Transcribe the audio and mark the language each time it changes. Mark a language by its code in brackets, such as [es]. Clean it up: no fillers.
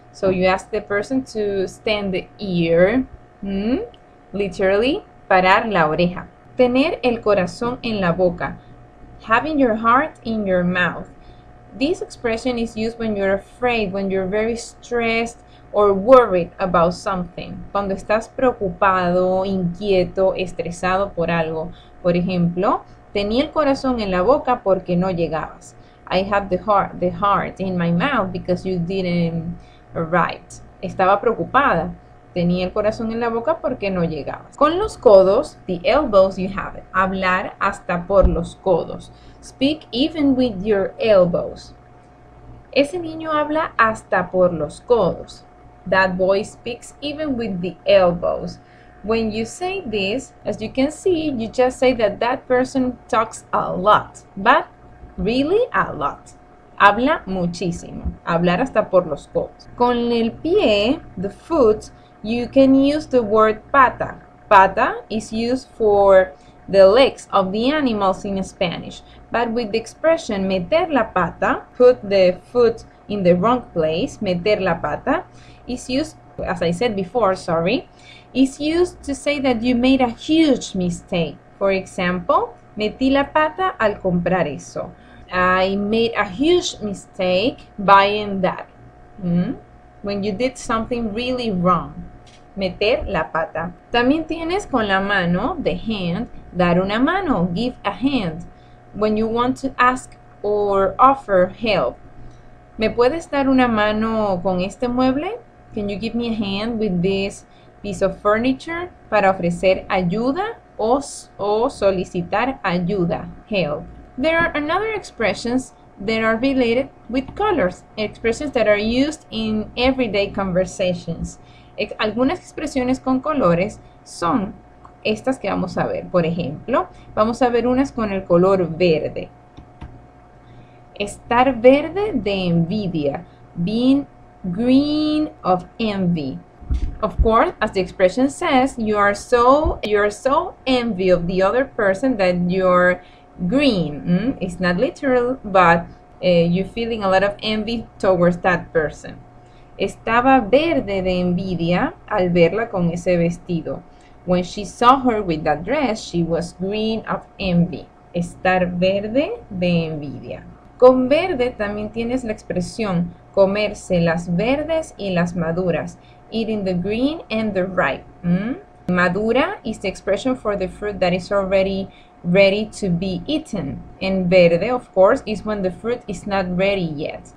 [en] So you ask the person to stand the ear, literally, [es] parar la oreja. Tener el corazón en la boca, [en] having your heart in your mouth. This expression is used when you're afraid, when you're very stressed or worried about something. [es] Cuando estás preocupado, inquieto, estresado por algo. Por ejemplo, tenía el corazón en la boca porque no llegabas. [en] I have the heart in my mouth because you didn't arrive. [es] Estaba preocupada. Tenía el corazón en la boca porque no llegabas. Con los codos, [en] the elbows, you have it. [es] Hablar hasta por los codos. [en] Speak even with your elbows. [es] Ese niño habla hasta por los codos. [en] That boy speaks even with the elbows. When you say this, as you can see, you just say that that person talks a lot. But really a lot. [es] Habla muchísimo. Hablar hasta por los codos. Con el pie, [en] the foot, you can use the word [es] pata. [en] Pata is used for the legs of the animals in Spanish. But with the expression [es] meter la pata, [en] put the foot in the wrong place, [es] meter la pata, [en] is used, as I said before, sorry, is used to say that you made a huge mistake. For example, [es] metí la pata al comprar eso. [en] I made a huge mistake buying that. When you did something really wrong. [es] Meter la pata. También tienes con la mano, [en] the hand, [es] dar una mano, [en] give a hand. When you want to ask or offer help. [es] ¿Me puedes dar una mano con este mueble? [en] Can you give me a hand with this piece of furniture? [es] Para ofrecer ayuda o solicitar ayuda, help. [en] There are another expressions that are related with colors, expressions that are used in everyday conversations. [es] Algunas expresiones con colores son estas que vamos a ver. Por ejemplo, vamos a ver unas con el color verde. Estar verde de envidia. [en] Being green of envy. Of course, as the expression says, you are so envy of the other person that you're green. It's not literal, but you're feeling a lot of envy towards that person. [es] Estaba verde de envidia al verla con ese vestido. [en] When she saw her with that dress, she was green of envy. [es] Estar verde de envidia. Con verde también tienes la expresión comerse las verdes y las maduras. [en] Eating the green and the ripe. Madura is the expression for the fruit that is already ready to be eaten. And verde, of course, is when the fruit is not ready yet.